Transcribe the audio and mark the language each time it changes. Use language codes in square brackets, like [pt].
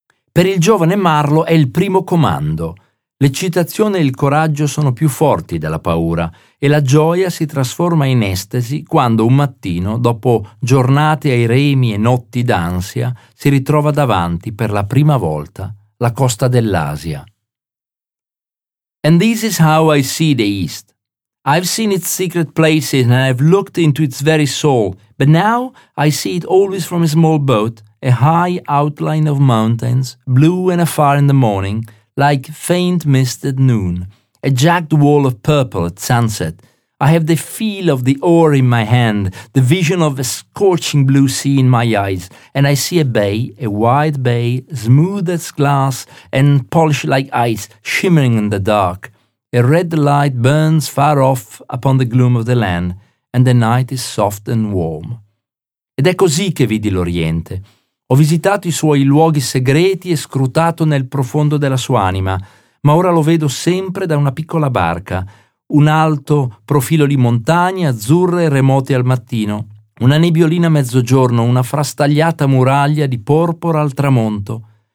[it] Per il giovane Marlowe è il primo comando. L'eccitazione e il coraggio sono più forti della paura e la gioia si trasforma in estasi quando un mattino, dopo giornate ai remi e notti d'ansia, si ritrova davanti per la prima volta la costa dell'Asia. [en] And this is how I see the East. I've seen its secret places and I've looked into its very soul, but now I see it always from a small boat, a high outline of mountains, blue and afar in the morning, like faint mist at noon, a jagged wall of purple at sunset. I have the feel of the oar in my hand, the vision of a scorching blue sea in my eyes, and I see a bay, a wide bay, smooth as glass and polished like ice, shimmering in the dark. A red light burns far off upon the gloom of the land, and the night is soft and warm. [it] Ed è così che vidi l'Oriente. Ho visitato i suoi luoghi segreti e scrutato nel profondo della sua anima, ma ora lo vedo sempre da una piccola barca, un alto profilo di montagne azzurre e remote al mattino, una nebbiolina a mezzogiorno, una frastagliata muraglia di porpora al tramonto.